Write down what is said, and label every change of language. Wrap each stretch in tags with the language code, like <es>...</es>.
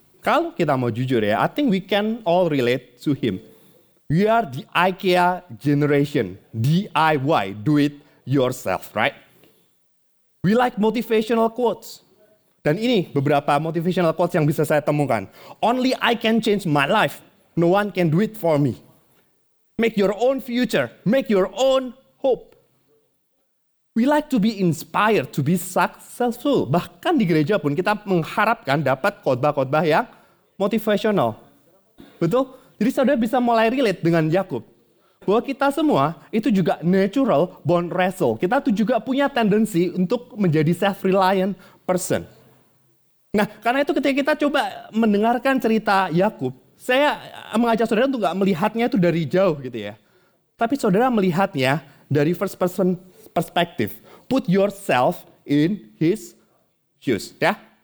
<id>Kalau kita mau jujur ya,</id> <en>I think we can all relate to him. We are the IKEA generation. DIY, do it yourself, right? We like motivational quotes.</en> <id>Dan ini beberapa motivational quotes yang bisa saya temukan.</id> <en>Only I can change my life. No one can do it for me. Make your own future. Make your own hope. We like to be inspired, to be successful.</en> <id>Bahkan di gereja pun kita mengharapkan dapat khotbah-khotbah yang motivational. Betul? Jadi saudara bisa mulai relate dengan Yakub. Bahwa kita semua itu juga natural born wrestle. Kita tuh juga punya tendensi untuk menjadi self-reliant person. Nah, karena itu ketika kita coba mendengarkan cerita Yakub, saya mengajak saudara untuk gak melihatnya itu dari jauh gitu ya. Tapi saudara melihatnya dari</id> <en>first person perspective. Put yourself in his shoes, ya.</en>